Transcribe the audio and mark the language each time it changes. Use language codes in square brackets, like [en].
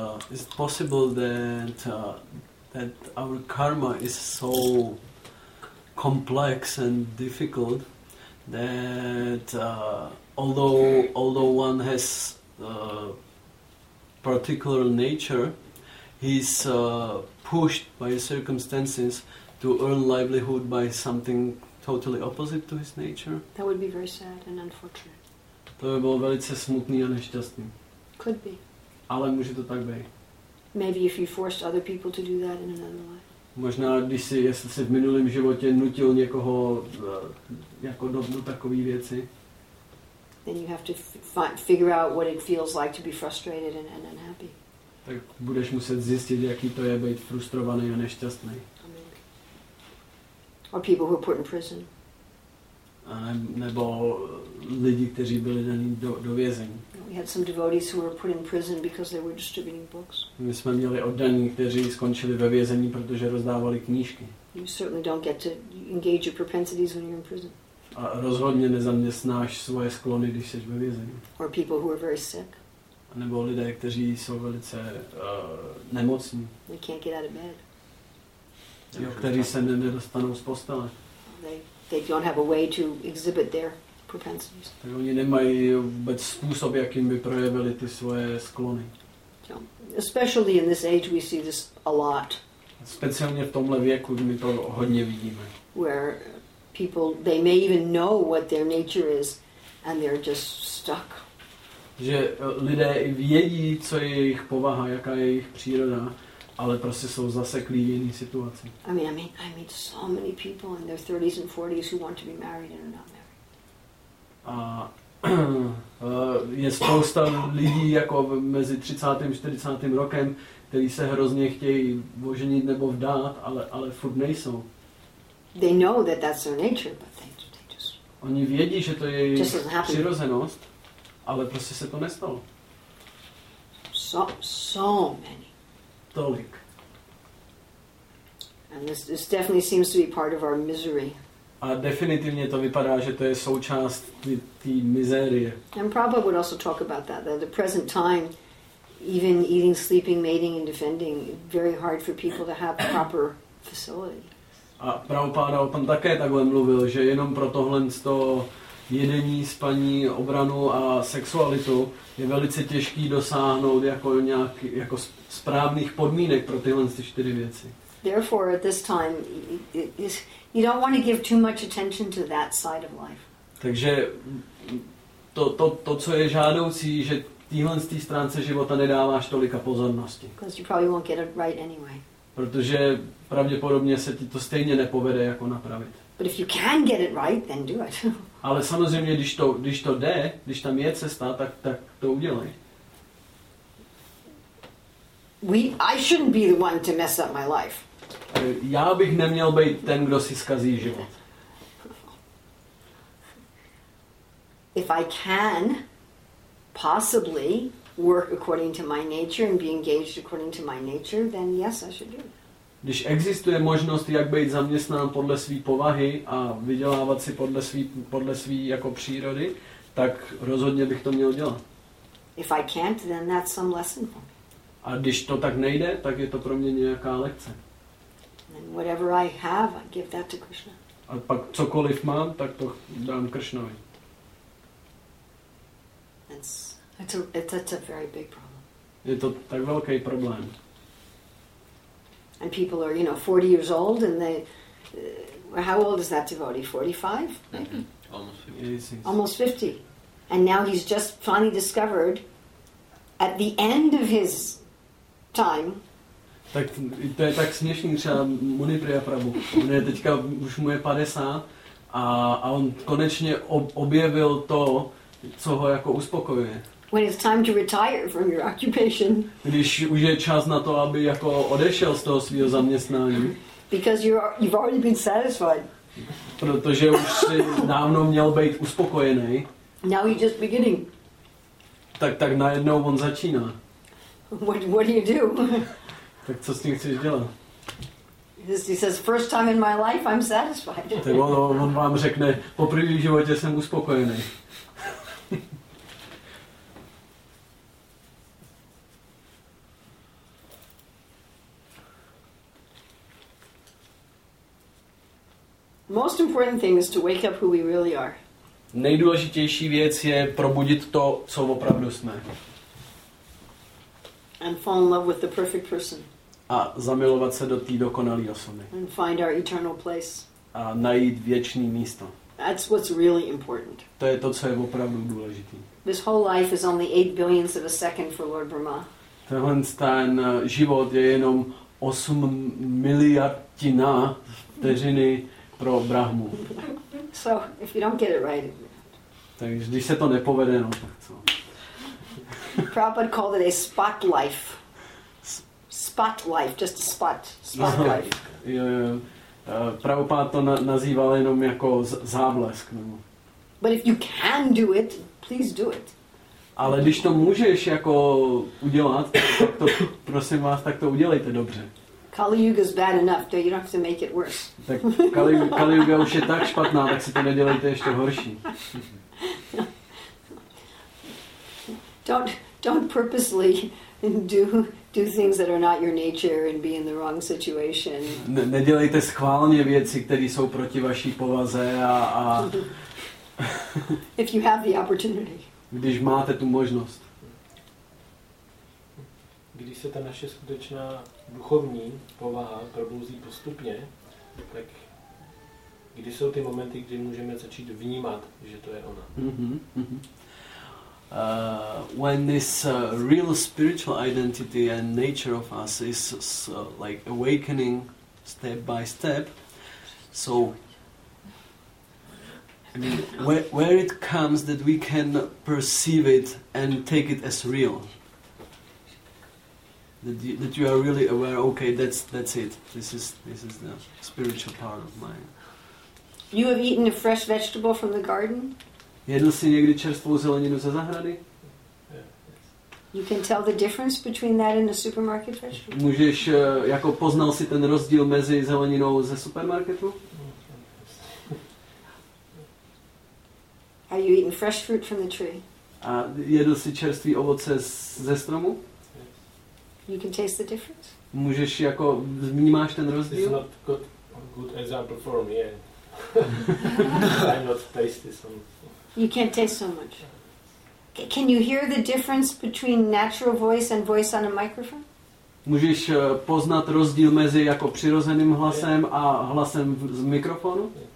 [en] Is it possible that our karma is so complex and difficult that although one has particular nature, he's pushed by circumstances to earn livelihood by something totally opposite to his nature? That would be very sad and unfortunate. [cs] To by bylo velice smutný a nešťastný. [en] Could be. [cs] Ale může to tak být. [en] Maybe if you forced other people to do that in another life. [cs] Možná když si, jestli si v minulém životě nutil někoho jako do takové věci. [en] Then you have to figure out what it feels like to be frustrated and unhappy. [cs] Tak budeš muset zjistit, jaký to je být frustrovaný a nešťastný. [en] Or people who are put in prison. [cs] Nebo lidi, kteří byli dani do vězení. [en] We had some devotees who were put in prison because they were distributing books. [cs] My jsme měli oddaní, kteří skončili ve vězení, protože rozdávali knížky. [en] You certainly don't get to engage your propensities when you're in prison. [cs] A rozhodně nezaměstnáš svoje sklony, když jsi ve vězení. [en] Or people who are very sick. [cs] Nebo lidé, kteří jsou velice nemocní. [en] They can't get out of bed. [cs] Jo, kteří se nedostanou z postele. [en] They don't have a way to exhibit their propensities. [cs] Tak oni nemají vůbec způsob, jakým by projevili ty svoje sklony. [en] So, especially in this age we see this a lot. [cs] Speciálně v tomhle věku my to hodně vidíme. [en] Where people, they may even know what their nature is and they're just stuck. [cs] Že lidé i vědí, co je jejich povaha, jaká je jejich příroda, ale prostě jsou zaseklí v jiné situaci. [en] I meet so many people in their 30s and 40s who want to be married and are not married. [cs] A je spousta lidí jako mezi 30. a 40. rokem, kteří se hrozně chtějí oženit nebo vdát, ale furt nejsou. [en] They know that that's their nature, but they just. [cs] Oni vědí, že to je jejich přirozenost. Ale prostě se to nestalo. [en] So many. [cs] Tolik. [en] And this definitely seems to be part of our misery. [cs] A definitivně to vypadá, že to je součást té mizérie. [en] And Prabhupada would also talk about that the present time, even eating, sleeping, mating and defending, very hard for people to have proper facility. [cs] A Prabhupada o tom také takhle mluvil, že jenom pro tohle z toho jedení, spaní, obranu a sexualitu je velice těžký dosáhnout jako nějak jako správných podmínek pro tyhle čtyři věci. [en] Therefore at this time you don't want to give too much attention to that side of life. [cs] Takže to co je žádoucí, že týhle z té stránce života nedáváš tolika pozornosti. [en] Because you probably won't get it right anyway. [cs] Protože pravděpodobně se ti to stejně nepovede jako napravit. [en] But if you can get it right, then do it. [cs] Ale samozřejmě, když to jde, když tam je cesta, tak to udělej. [en] I shouldn't be the one to mess up my life. [cs] Já bych neměl být ten, kdo si zkazí život. [en] If I can possibly work according to my nature and be engaged according to my nature, then yes, I should do it. [cs] Když existuje možnost, jak být zaměstnán podle své povahy a vydělávat si podle své jako přírody, tak rozhodně bych to měl dělat. [en] If I can't, then that's some lesson for me. [cs] A když to tak nejde, tak je to pro mě nějaká lekce. [en] And whatever I have, I give that to Krishna. [cs] A pak cokoliv mám, tak to dám Krishnovi. [en] That's a very big problem. [cs] Je to tak velký problém. [en] And people are, you know, 40 years old and they how old is that devotee? 45? Mm-hmm. Almost 50. Yeah, almost 50. And now he's just finally discovered at the end of his time. [cs] Tak to je tak směšný, třeba Muni Priyaprabhu. On je teďka, už mu je 50 a on konečně objevil to, co ho jako uspokojuje. [en] When it's time to retire from your occupation. [cs] Když už je čas na to, aby jako odešel z toho svého zaměstnání. [en] Because you've already been satisfied. [cs] Protože už si dávno měl být uspokojený. [en] Now you're just beginning. [cs] Tak najednou on začíná. [en] What do you do? [cs] Tak co s tím chceš dělat? [en] He says, first time in my life, I'm satisfied. [cs] Tak on vám řekne, po první životě jsem uspokojený. [en] Most important thing is to wake up who we really are. [cs] Nejdůležitější věc je probudit to, co opravdu jsme. [en] And fall in love with the perfect person. [cs] A zamilovat se do té dokonalé osoby. [en] And find our eternal place. [cs] A najít věčné místo. [en] That's what's really important. [cs] To je to, co je opravdu důležitý. [en] This whole life is only 8 billionths of a second for Lord Brahma. [cs] Tenhle ten život je jenom 8 miliardina vteřiny pro Brahmu. [en] So, if you don't get it right. [cs] Takže když se to nepovede, no tak co? [en] Prabhupada called it a spot life. Spot life, just a spot. Spot life. [cs] Prabhupada to nazýval jenom jako záblesk. No. [en] But if you can do it, please do it. [cs] Ale když to můžeš jako udělat, tak to, prosím vás, tak to udělejte dobře. [en] Kali Yuga is bad enough, though you don't have to make it worse. [cs] Tak Kali Yuga už je tak špatná, tak si to nedělejte ještě horší. [en] Don't purposely do things that are not your nature and be in the wrong situation. [cs] Nedělejte schválně věci, které jsou proti vaší povaze a [en] if you have the opportunity. [cs] Když máte tu možnost. Když se ta naše skutečná duchovní povaha probouzí postupně, tak kdy jsou ty momenty, kdy můžeme začít vnímat, že to je ona? [en] When this real spiritual identity and nature of us is like awakening step by step, so where it comes that we can perceive it and take it as real? That you are really aware, okay, that's it. This is the spiritual part of mine. You have eaten a fresh vegetable from the garden? [cs] Jedl jsi někdy čerstvou zeleninu ze zahrady? [en] You can tell the difference between that and a supermarket vegetable? [cs] Můžeš, jako poznal jsi ten rozdíl mezi zeleninou ze supermarketu? [en] Have you eaten fresh fruit from the tree? [cs] A jedl jsi čerstvý ovoce ze stromu? [en] You can taste the difference. [cs] Můžeš jako vnímáš ten rozdíl? [en] It's not good example for me. Yeah. I'm not tasty so. You can't taste so much. Can you hear the difference between natural voice and voice on a microphone? [cs] Můžeš poznat rozdíl mezi jako přirozeným hlasem a hlasem z mikrofonu?